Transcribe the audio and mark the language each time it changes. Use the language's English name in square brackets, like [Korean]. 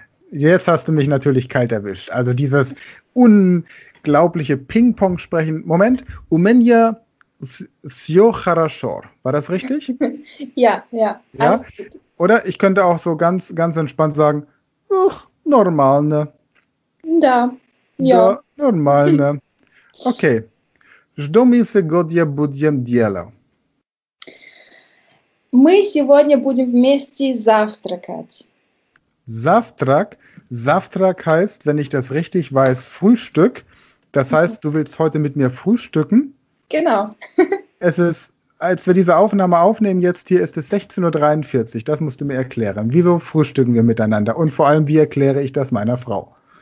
[German] Jetzt hast du mich natürlich kalt erwischt. Also dieses unglaubliche Ping-Pong-Sprechen. Moment. [Russian] У меня все хорошо. [German] War das richtig? Ja. Oder ich könnte auch so ganz, ganz entspannt sagen, ach, normal, ne? [Russian] Da, [German] normal, ne? Okay. [Russian] Что мы сегодня будем делать? Мы сегодня будем вместе завтракать. Завтрак. [German] Завтрак heißt, wenn ich das richtig weiß, Frühstück. Das heißt, du willst heute mit mir frühstücken? Genau. Es ist... Als wir diese Aufnahme aufnehmen, jetzt hier ist es 16.43 Uhr, das musst du mir erklären. Wieso frühstücken wir miteinander? Und vor allem, wie erkläre ich das meiner Frau?